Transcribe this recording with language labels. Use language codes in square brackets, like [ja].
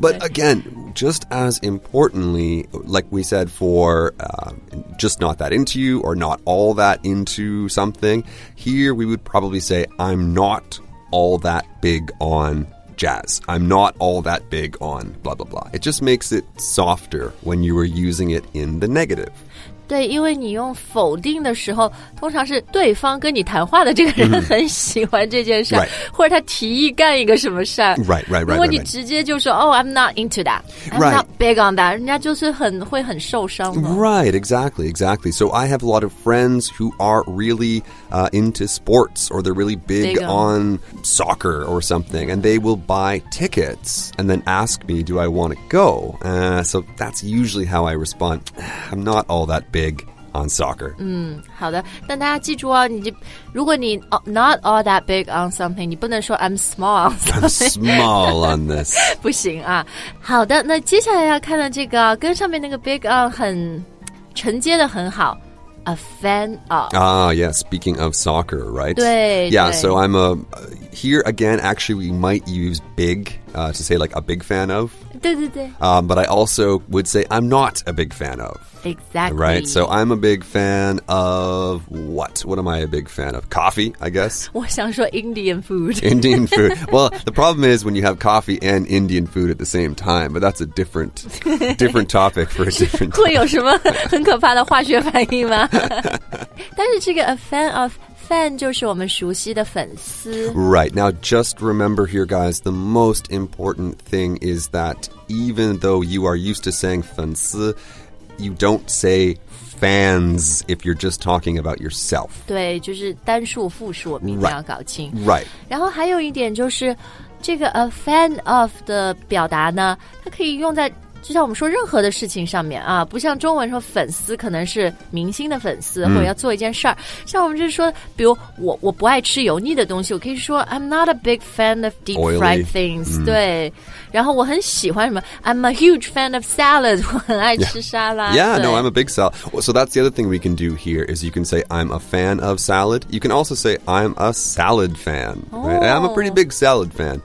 [en] But again, just as importantly, like we said, for just not that into you or not all that into something, here we would probably say, I'm not all that big on... jazz. I'm not all that big on blah, blah, blah. It just makes it softer when you are using it in the negative. [zh] 对，因为你用否定的时候，通常是对方跟你谈话的这个人很喜欢这件事，或者他提议干一个什么事。 [en] Right. [zh] 如果你直接就说， Oh, I'm not into that. I'm not big on that. 人家就是会很受伤的。 [en] Right, exactly. So I have a lot of friends who are really into sports, or they're really big on soccer or something, and they will buy tickets and then ask me, do I want to go? So that's usually how I respond. I'm not all that big on soccer. [zh] 嗯，好的。但大家记住哦，如果你 not all that big on something, 你不能说 I'm small on something. [en] I'm small on this. [zh] 不行啊。好的，那接下来要看的这个，跟上面那个 big on 很承接的很好。 [en] A fan of. Ah, yeah, speaking of soccer, right? [zh] 对。 [en] Yeah, so I'm a... Here again, actually, we might use big to say like a big fan of. [zh] 对对对。 [en] But I also would say I'm not a big fan of. Exactly. Right, so I'm a big fan of what? What am I a big fan of? Coffee, I guess. [zh] 我想说 Indian food. [en] Indian food. Well, the problem is when you have coffee and Indian food at the same time, but that's a different topic for a different [zh] time. 会有什么很可怕的化学反应吗？但是这个 a fan of... Fan 就是我们熟悉的粉丝。 [en] Right. Now, just remember here, guys, the most important thing is that even though you are used to saying 粉丝, you don't say fans if you're just talking about yourself. [zh] 对,就是单数复数我们一定要搞清。 [en] Right. [zh] 然后还有一点就是这个 a fan of 的表达呢,它可以用在就像我们说任何的事情上面啊，不像中文说粉丝可能是明星的粉丝或者要做一件事儿。像我们就是说，比如我不爱吃油腻的东西，我可以说 I'm not a big fan of deep fried things。对，然后我很喜欢什么 I'm a huge fan of salads，我很爱吃沙拉。 [en] Yeah, no, I'm a big salad. So that's the other thing we can do here is you can say I'm a fan of salad. You can also say I'm a salad fan.、Right? I'm a pretty big salad fan.